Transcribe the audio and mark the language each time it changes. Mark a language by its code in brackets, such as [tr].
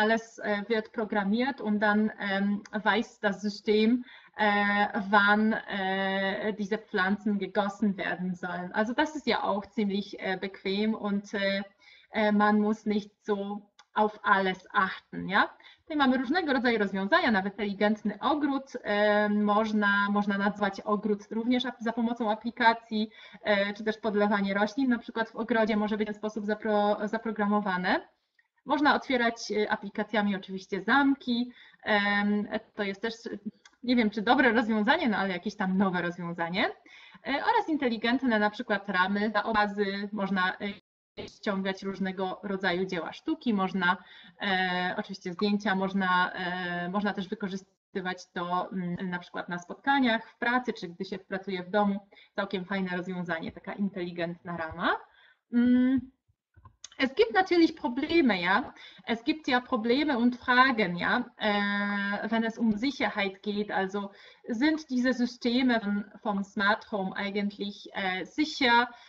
[de] Alles wird programmiert und dann weiß das System, wann diese Pflanzen gegossen werden sollen. Also das ist ja auch ziemlich bequem und man muss nicht so auf alles achten, ja? [pl] Tutaj mamy różnego rodzaju rozwiązania, nawet inteligentny ogród, można nazwać ogród również za pomocą aplikacji, czy też podlewanie roślin, na przykład w ogrodzie może być w ten sposób zaprogramowane. Można otwierać aplikacjami oczywiście zamki, to jest też, nie wiem czy dobre rozwiązanie, no ale jakieś tam nowe rozwiązanie. Oraz inteligentne na przykład ramy dla obrazy, można ściągać różnego rodzaju dzieła sztuki, można oczywiście zdjęcia, można też wykorzystywać to na przykład na spotkaniach, w pracy, czy gdy się pracuje w domu. Całkiem fajne rozwiązanie, taka inteligentna rama. [de] Es gibt natürlich Probleme, ja. Es gibt ja Probleme und Fragen, ja. Wenn es um Sicherheit geht, also sind diese Systeme vom Smart Home eigentlich sicher?